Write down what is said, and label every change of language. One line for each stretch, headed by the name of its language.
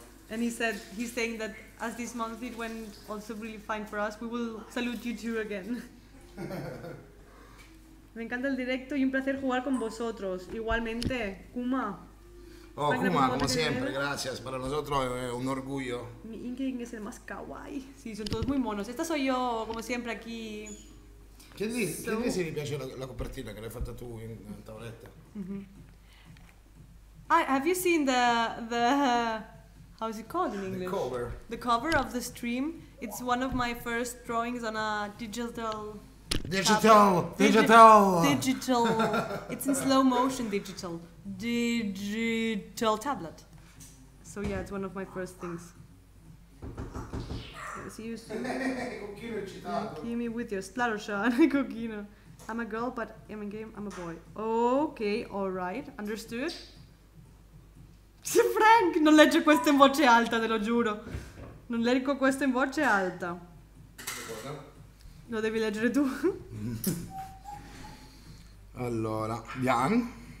English: And he said, he's saying that as this month it went also really fine for us, we will salute you too again.
Spanish: Me encanta el directo y un placer jugar con vosotros. Igualmente, Kuma. Oh, Kuma, como siempre, gracias. Para nosotros es un orgullo. Mi Inkling es el más kawaii. Sí, son todos muy monos. Esta soy yo, como siempre, aquí. ¿Qué dice? ¿Qué dice si
Italian: le piace la copertina
Spanish: que
Italian: le hai fatta
Spanish: tú en la tableta? Mm-hmm.
English: Have you seen the how is it called in English? The cover. The cover of the stream. It's one of my first drawings on a digital... Digital. It's in slow motion. Digital tablet. So yeah, it's one of my first things. See you soon. Give me with your splattershot, Coquino. I'm a girl, but in a game, I'm a boy. Okay, all right, understood.
Italian: Frank, non legge questo in voce alta, te lo giuro. Non leggo questo in voce alta. Lo devi leggere tu. Allora, Dian.